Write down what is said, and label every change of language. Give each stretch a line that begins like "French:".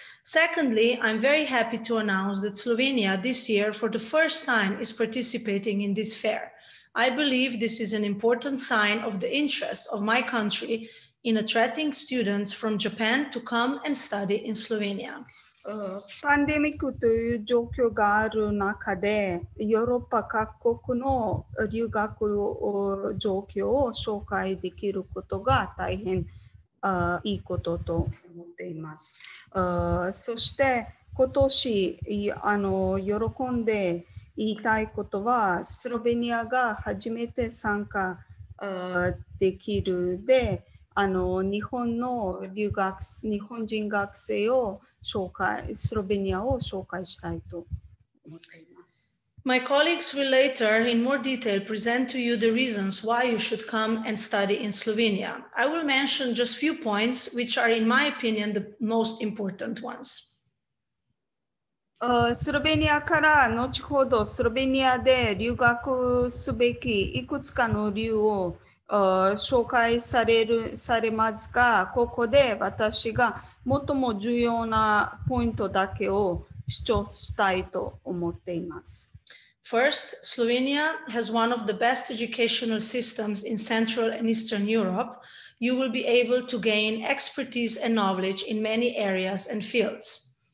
English: Secondly, I'm very happy to announce that Slovenia this year for the first time is participating in this fair. I believe this is an important sign of the interest of my country in attracting students from Japan to come and study in Slovenia.
Japanese: パンデミックという状況がある中で、ヨーロッパ各国の留学状況を紹介できることが大変いいことと思っています。そして今年喜んで言いたいことは、スロベニアが初めて参加できるで、日本の留学、日本人学生をスロベニアを紹介したいと思っています。
English: My colleagues will later in more detail present to you the reasons why you should come and study in Slovenia. I will mention just few points which are in my opinion the most important ones.
Japanese: スロベニアから後ほどスロベニアで留学すべきいくつかの理由を紹介されますが、ここで私が最も重要なポイントだけを主張したいと思っています。
English: First, Slovenia has one of the best educational systems in Central and Eastern Europe. You will be able to gain expertise and knowledge in many areas and fields.